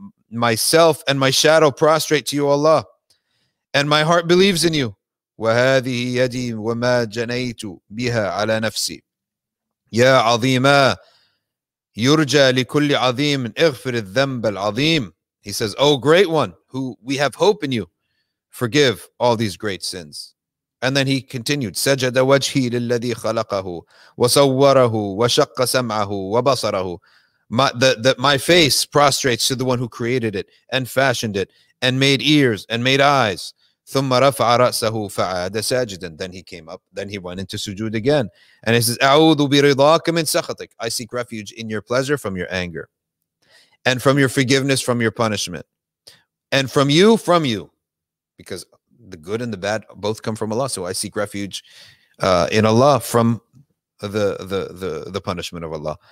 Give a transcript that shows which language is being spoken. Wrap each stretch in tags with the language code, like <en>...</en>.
<en>Myself and my shadow prostrate to you, Allah. And my heart believes in you.</en> <ar>وهذه يدي وما جنيت بها على نفسي. يا عظيما يرجى لكل عظيم اغفر الذنب العظيم.</ar> <en>He says, oh great one, who we have hope in you, forgive all these great sins. And then he continued,</en> <ar>سجد وجهي للذي خلقه وصوره وشق سمعه وبصره.</ar> <en>My face prostrates to the one who created it and fashioned it and made ears and made eyes.</en> <ar>ثم رفع رأسه فعاد ساجدا.</ar> <en>Then he came up. Then he went into sujood again. And he says,</en> <ar>أعوذ برضاك من سخطك.</ar> <en>I seek refuge in your pleasure from your anger. And from your forgiveness from your punishment. And from you. Because the good and the bad both come from Allah. So I seek refuge in Allah from the punishment of Allah.</en>